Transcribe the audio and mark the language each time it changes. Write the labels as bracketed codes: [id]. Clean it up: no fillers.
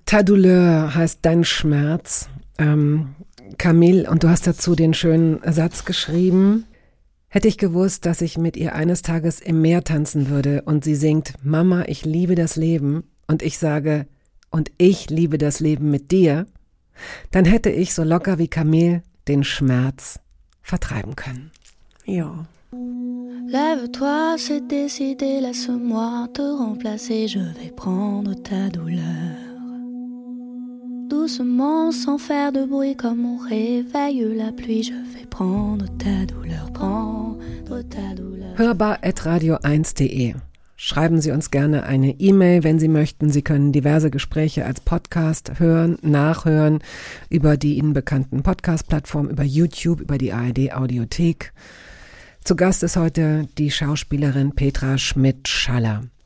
[fr] Ta douleur [de] heißt dein Schmerz. Camille, und du hast dazu den schönen Satz geschrieben: Hätte ich gewusst, dass ich mit ihr eines Tages im Meer tanzen würde und sie singt, Mama, ich liebe das Leben, und ich sage, und ich liebe das Leben mit dir, dann hätte ich so locker wie Camille den Schmerz vertreiben können. Ja. [fr] Lève-toi, c'est décidé, laisse-moi te remplacer, je vais prendre ta douleur. Doucement, sans faire de bruit, comme on réveille la pluie, je vais prendre ta douleur, prendre ta douleur. [de] hörbar@radio1.de. Schreiben Sie uns gerne eine E-Mail, wenn Sie möchten. Sie können diverse Gespräche als Podcast hören, nachhören über die Ihnen bekannten Podcast-Plattformen, über YouTube, über die ARD-Audiothek. Zu Gast ist heute die Schauspielerin Petra Schmidt-Schaller.